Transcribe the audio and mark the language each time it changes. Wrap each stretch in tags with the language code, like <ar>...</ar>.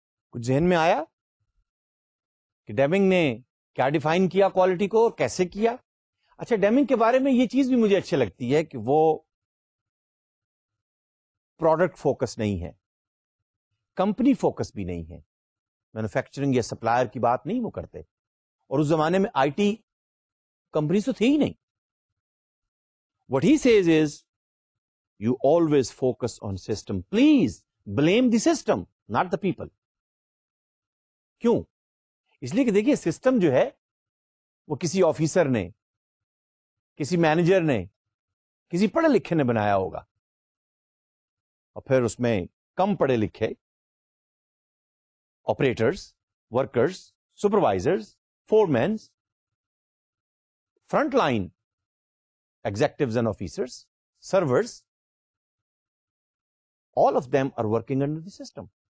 <ur>کچھ ذہن میں آیا کہ ڈیمنگ نے کیا ڈیفائن کیا کوالٹی کو اور کیسے کیا؟ اچھا ڈیمنگ کے بارے میں یہ چیز بھی مجھے اچھی لگتی ہے کہ وہ پروڈکٹ فوکس نہیں ہے, کمپنی فوکس بھی نہیں ہے, مینوفیکچرنگ یا سپلائر کی بات نہیں وہ کرتے, اور اس زمانے میں آئی ٹی کمپنیز تو تھی ہی نہیں.</ur> <en>What he says is, you always focus on system. Please blame the system, not the people.</en> <ur>کیوں؟ اس لیے کہ دیکھیے سسٹم جو ہے وہ کسی آفیسر نے, کسی مینیجر نے, کسی پڑھے لکھے نے بنایا ہوگا, اور پھر اس میں کم پڑھے لکھے operators, workers, supervisors, four means, front line executives and officers, servers,</ur> <en>All of them are working under the system.</en>